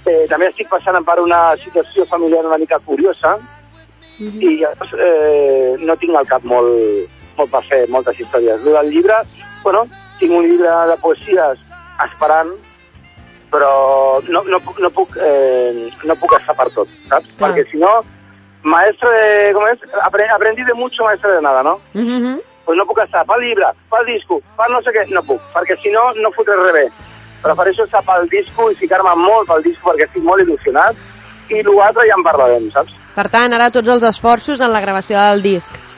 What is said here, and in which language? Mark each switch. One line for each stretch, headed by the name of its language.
Catalan: També estic passant per una situació familiar una mica curiosa. I llavors no tinc al cap molt per fer moltes històries. El llibre, bueno, tinc un llibre de poesies esperant, però no puc estar per tot, saps? Clar. Perquè si no,
Spanish: maestro de...
Catalan: Com és?
Spanish: Aprendí de mucho, maestro de nada, no?
Catalan: Pues no puc estar pel llibre, pel disco, pel no sé què, no puc, perquè si no fotré res bé. Prefereixo estar pel disco i ficar-me molt pel disco perquè estic molt il·lusionat, i l'altre ja en parlarem, saps? Per tant, ara tots els esforços en la gravació del disc.